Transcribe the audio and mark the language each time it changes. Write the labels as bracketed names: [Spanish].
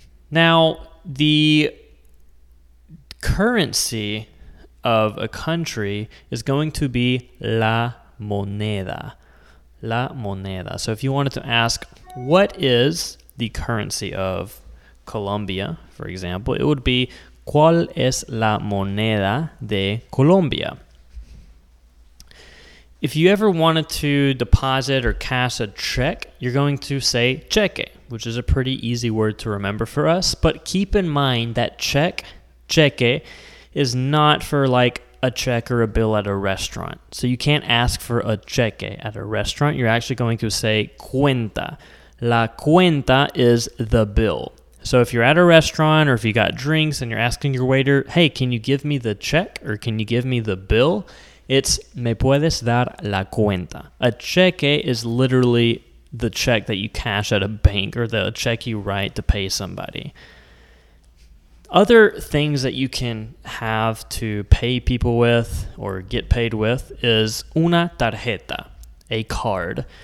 [English] Now, the currency of a country is going to be la moneda. La moneda. So if you wanted to ask, what is the currency of Colombia, for example, it would be [Spanish] ¿Cuál es la moneda de Colombia? [English] If you ever wanted to deposit or cash a check, you're going to say cheque, which is a pretty easy word to remember for us. But keep in mind that check, cheque, is not for like a check or a bill at a restaurant. So you can't ask for a cheque at a restaurant. You're actually going to say cuenta. La cuenta is the bill. So if you're at a restaurant or if you got drinks and you're asking your waiter, hey, can you give me the check or can you give me the bill? It's [Spanish] me puedes dar la cuenta. [English] A cheque is literally the check that you cash at a bank or the check you write to pay somebody. Other things that you can have to pay people with or get paid with is una tarjeta, a card.